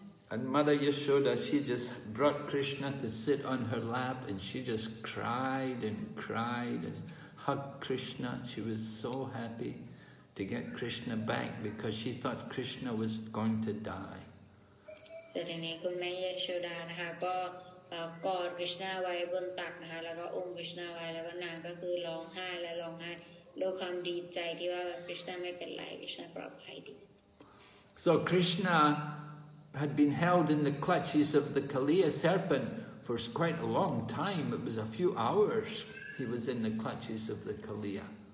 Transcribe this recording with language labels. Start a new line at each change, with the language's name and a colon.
English: And Mother Yashoda, she just brought Krishna to sit on her lap and she just cried and cried and hugged Krishna. She was so happy. to get Krishna back because she thought Krishna was going to die.
Thai: แต่ทีนี้คุณแม่ยโชดานะคะก็กอดคริชนาไว้บนตักนะคะแล้วก็อุ้มคริชนาไว้แล้วก็นางก็คือร้องไห้และร้องไห้ด้วยความดีใจที่ว่าคริชนาไม่เป็นไรคริชนาปลอดภัยดี
English: So Krishna had been held in the clutches of the Kaliya serpent for quite a long time. It was a few hours he was in the clutches of the Kaliya.